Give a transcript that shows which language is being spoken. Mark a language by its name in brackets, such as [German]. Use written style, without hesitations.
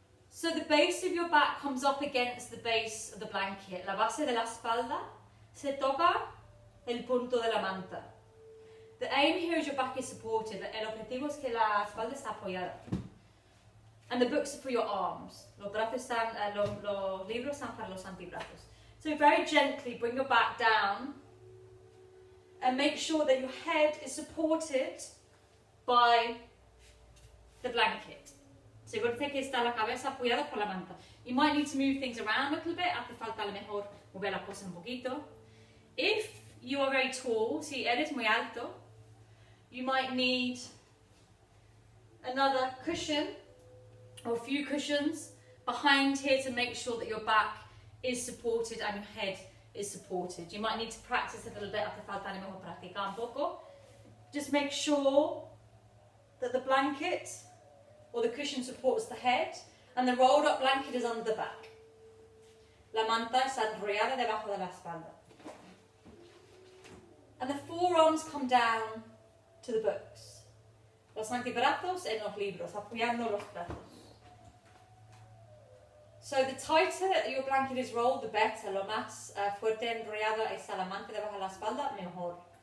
[English] So the base of your back comes up against the base of the blanket. [Spanish] La base de la espalda se toca el punto de la manta. [English] The aim here is your back is supported. [Spanish] El objetivo es que la espalda está apoyada. [English] And the books are for your arms. [Spanish] Los brazos están, los libros están para los antebrazos. [English] So very gently bring your back down and make sure that your head is supported by the blanket. So you're going to take [Spanish] la cabeza apoyada por la manta. [English] You might need to move things around a little bit. [Spanish] Hace falta a lo mejor mover la cosa un poquito. [English] If you are very tall, [Spanish] si eres muy alto, [English] you might need another cushion or a few cushions behind here to make sure that your back is supported and your head is supported. You might need to practice a little bit. [Spanish] Hace falta a lo mejor practicar un poco. [English] Just make sure that the blanket or the cushion supports the head and the rolled up blanket is under the back. [Spanish] La manta está enrollada debajo de la espalda. [English] And the forearms come down to the books. [Spanish] Los antebrazos en los libros, apoyando los brazos. [English] So the tighter your blanket is rolled, the better. [Spanish] Lo más fuerte enrollada está la manta debajo de la espalda, mejor.